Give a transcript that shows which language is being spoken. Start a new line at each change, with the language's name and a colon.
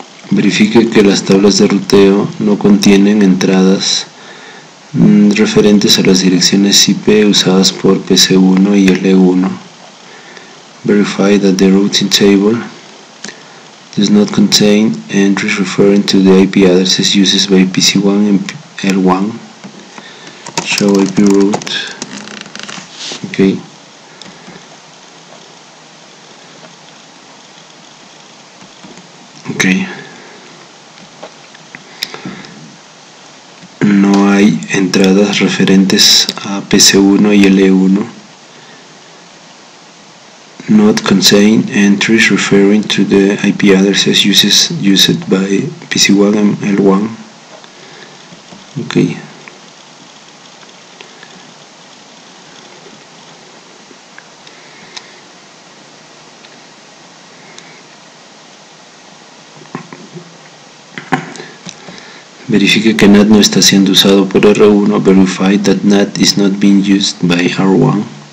Spanish: Verifique que las tablas de ruteo no contienen entradas referentes a las direcciones IP usadas por PC1 y L1.
English: Verify that the routing table does not contain entries referring to the IP addresses used by PC1 and L1. Show IP route. Okay. Okay.
Spanish: No hay entradas referentes a PC1 y L1.
English: Not contain entries referring to the IP addresses used by PC1 and L1. Okay.
Spanish: Verifique que NAT no está siendo usado por R1.
English: Verify that NAT is not being used by R1.